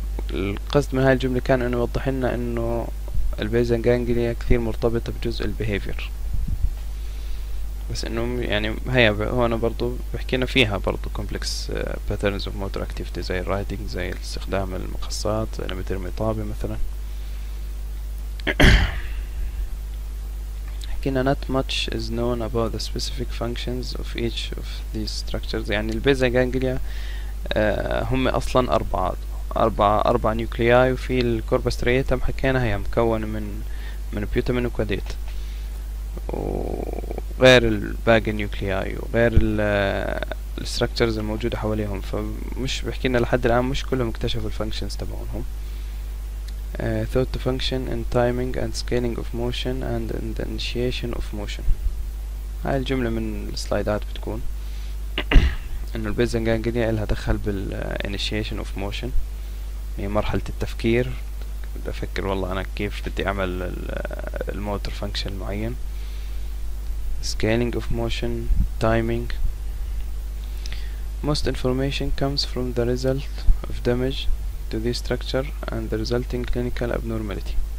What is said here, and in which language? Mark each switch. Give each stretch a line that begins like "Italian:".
Arabic: القصد من هاي الجمله كان انه يوضح لنا انه البيزن جانجليا كثير مرتبطه بجزء البيهيفير، بس انه يعني هي هون برضو بحكينا فيها برضو
English: complex patterns of motor activity
Arabic: زي الرايتنج، زي استخدام المقصات لما ترمي طابه مثلا.
English: not much is known about the specific functions of each of these structures.
Arabic: يعني البيزا جانجليا هم اصلا اربع نيوكلياي، وفي الكوربس ترياتم حكينا هي مكونة من بيوتامين وكواديت وغير الباقي نيوكلياي وغير الستركتشرز الموجودة حواليهم. فمش بحكينا لحد الان مش كلهم اكتشفوا الفانكشنز تبعونهم.
English: thought to function in timing and scaling of motion and in the initiation of motion.
Arabic: هاي الجملة من السلايدات بتكون انه البيزن جانجليا لها دخل بال initiation of motion، هي مرحلة التفكير، بفكر والله انا كيف بدي اعمل الموتور فانكشن معين.
English: scaling of motion timing. most information comes from the result of damage to this structure and the resulting clinical abnormality.